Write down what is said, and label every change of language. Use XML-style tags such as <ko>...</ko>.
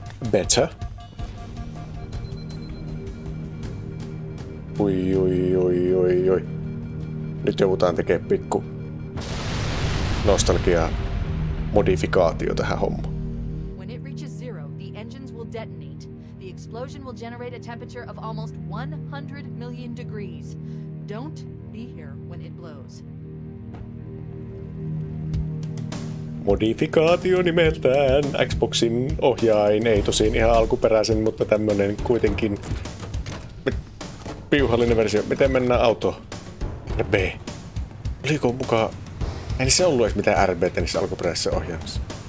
<en>Better. Oi, oi, oi, oi, oi.</en> <fi>Nyt joudutaan tekemään pikku nostalgia-modifikaatio tähän hommaan.</fi> <en>When it reaches zero, the engines will detonate. The explosion will generate a temperature of almost 100 million degrees. Don't be here when it blows.</en> <fi>Modifikaatio nimeltään. Xboxin ohjain, ei tosin ihan alkuperäisen, mutta tämmönen kuitenkin piuhallinen versio. Miten mennään auto? RB. Oliko mukaan... Ei se ollut edes mitään RB:tä niissä alkuperäisessä ohjaimessa.</fi>